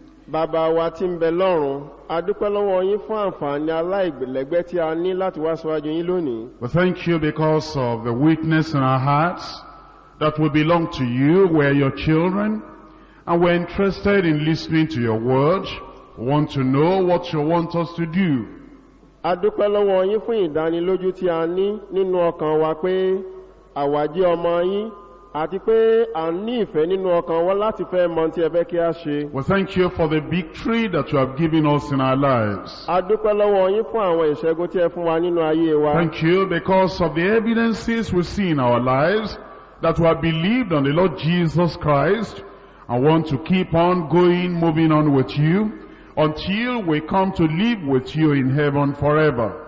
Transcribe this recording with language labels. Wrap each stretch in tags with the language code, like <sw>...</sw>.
<yo>Bàbá wa ti ń bẹ lọ́run. A dúpẹ́ lọ́wọ́ yín fún àǹfààní aláìgbẹ̀lẹ́gbẹ́ tí a ní láti wá síwájú yín lónìí.</yo> <en>We thank you because of the witness in our hearts that we belong to you, we are your children, and we are interested in listening to your word. We want to know what you want us to do.</en> <yo>A dúpẹ́ lọ́wọ́ yín fún ìdánilójú tí a ní nínú ọkàn wa pé àwa jẹ́ ọmọ yín. Àti pé a ní ìfẹ́ nínú ọkàn wa láti fẹ́ mọ tí ẹ fẹ́ kí a ṣe.</yo> <en>We thank you for the victory that you have given us in our lives.</en> <yo>A dúpẹ́ lọ́wọ́ yín fún àwọn ìṣẹ́gun tí ẹ fún wa nínú ayé wa.</yo> <en>Thank you because of the evidences we see in our lives that we have believed on the Lord Jesus Christ and want to keep on going, moving on with you until we come to live with you in heaven forever.</en>